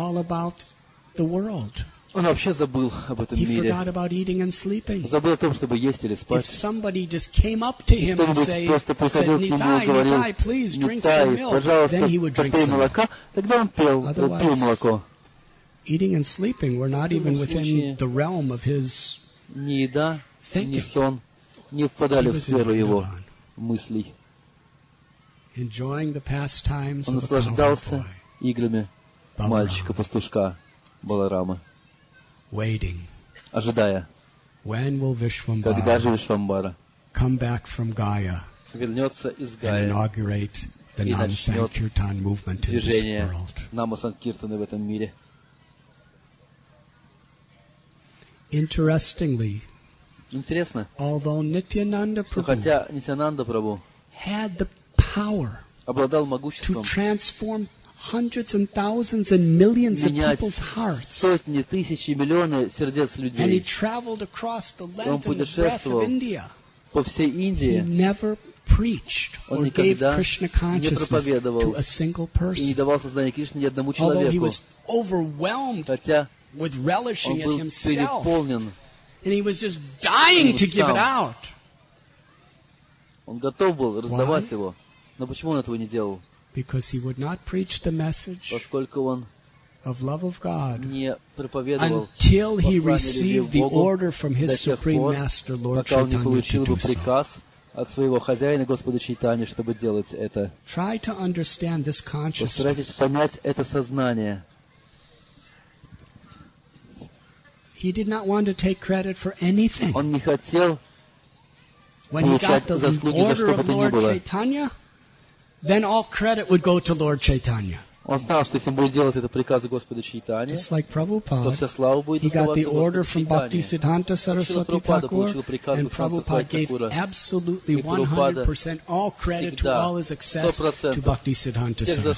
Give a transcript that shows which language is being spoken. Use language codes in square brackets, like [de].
[ru] Он вообще забыл об этом мире. [en] He forgot about eating and sleeping. [ru] Забыл о том, чтобы есть или спать. [en] If somebody just came up to him and said, Nitai, please drink some milk, then he would drink some milk. [ru] Тогда он пил, пил молоко. [en] Eating and sleeping were not even within the realm of his [ru] ни еда, ни сон не впадали в сферу его мыслей. [en] Enjoying the pastimes of the [ru] наслаждался играми мальчика-пастушка Баларама. [en] Waiting. [ru] Ожидая. [en] When will Vishwambhara come back from Gaya Gaya and inaugurate the Nam-Sankirtan movement in this world? Interestingly, although Nityananda Prabhu had the power to transform hundreds and thousands and millions of people's hearts. [ru] Сотни, тысячи, миллионы сердец людей. [en] And he traveled across the length and the breadth of India. [ru] По всей Индии. [en] He never preached or gave Krishna consciousness to a single person. [ru] И не давал сознание Кришне ни одному человеку. [en] Although he was overwhelmed with relishing it himself. And he was just dying to give it out. [ru] Он готов был раздавать его. Но почему он этого не делал? [en] Because he would not preach the message of love of God until he received the order from his Supreme Master, Lord Chaitanya, to do so. Try to understand this consciousness. [ru] Постарайтесь понять это сознание. [en] He did not want to take credit for anything. [ru] Он не хотел получать заслуги за что бы то ни было. [en] Then all credit would go to Lord Chaitanya. Just like Prabhupada, he got the order from Bhaktisiddhanta Saraswati Thakur, and Prabhupada gave absolutely 100% all credit to all his excess to